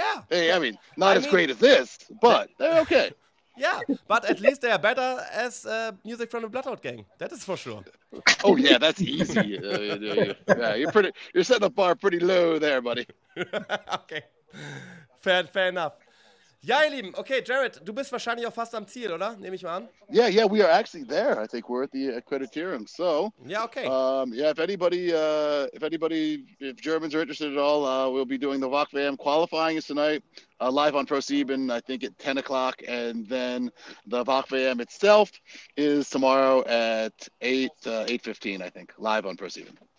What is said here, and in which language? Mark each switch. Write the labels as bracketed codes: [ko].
[en] I mean, not as great as this, but they're okay. Yeah, but at least they are better as music from the Bloodhound Gang. That is for sure. Oh yeah, that's easy. You're setting the bar pretty low there, buddy. Okay, fair enough. [de] Ja, ihr Lieben. Okay, Jared, du bist wahrscheinlich auch fast am Ziel, oder? Nehme ich mal an. [en] Yeah, we are actually there. I think we're at the accreditierung. So. Yeah. Okay. If Germans are interested at all, we'll be doing the Wok-Bam qualifying is tonight, live on ProSieben, I think at 10:00, and then the Wok-Bam itself is tomorrow at 8:15, I think, live on ProSieben.